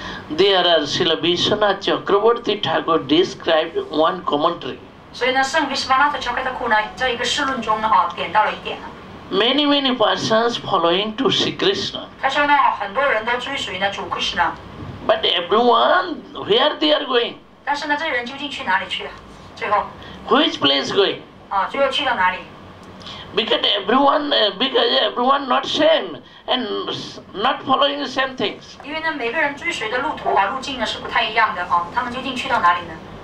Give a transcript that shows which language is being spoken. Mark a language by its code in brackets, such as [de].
[en] There are Srila Vishwanatha Chakravarti Thakur described one commentary。 [zh] 所以呢，圣维斯巴纳特乔克塔库呢，在一个释论中呢点到了一点。 [en] Many persons following to Sri Krishna。 [zh] 他说呢，很多人都追随呢主 Krishna。 [en] But everyone, where they are going？ [zh] 但是呢，这些人究竟去哪里去？最后。 [en] Which place going? [zh] 最后去到哪里？ Because everyone not same and not following the same things. 因为呢，每个人追随的路途路径呢是不太一样的他们究竟去到哪里呢？